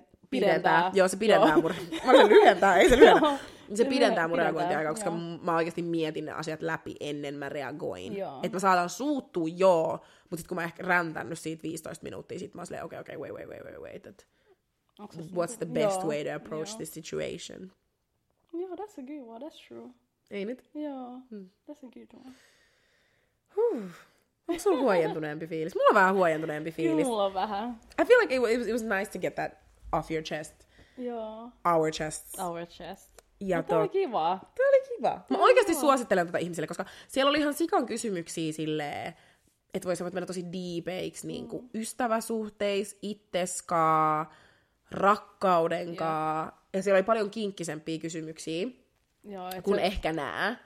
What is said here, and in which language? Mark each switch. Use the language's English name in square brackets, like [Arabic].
[Finnish] Pidentää. Joo, se pidentää mun reagointiaikaa. Mä lyhentää, ei se lyhentää. Se pidentää mun reagointiaikaa, koska mä oikeasti mietin ne asiat läpi ennen mä reagoin. Että mä saatan suuttua, mutta sit kun mä ehkä räntännyt siitä 15 minuuttia, sit mä oon silleen, okei, wait. [English] What's the best way to approach this situation? Joo, that's a good one, that's true. [Finnish] Ei nyt? [English] Joo, that's a good one. [Finnish] Onko sulla huojentuneempi fiilis? Mulla on vähän huojentuneempi fiilis. Mulla on vähän. [English] I feel like it was nice to get that off your chest. [Finnish] Joo. [English] Our chests. Our chests. [Finnish] Ja no, tämä oli kiva. Tämä oli kiva. Mä oikeasti suosittelen tätä ihmisille, koska siellä oli ihan sikan kysymyksiä silleen, että voisi sanoa, että meillä tosi diipeiksi niin kuin ystäväsuhteis, itteskaa, rakkaudenkaa. Yeah. Ja siellä oli paljon kinkkisempiä kysymyksiä kuin ehkä nää.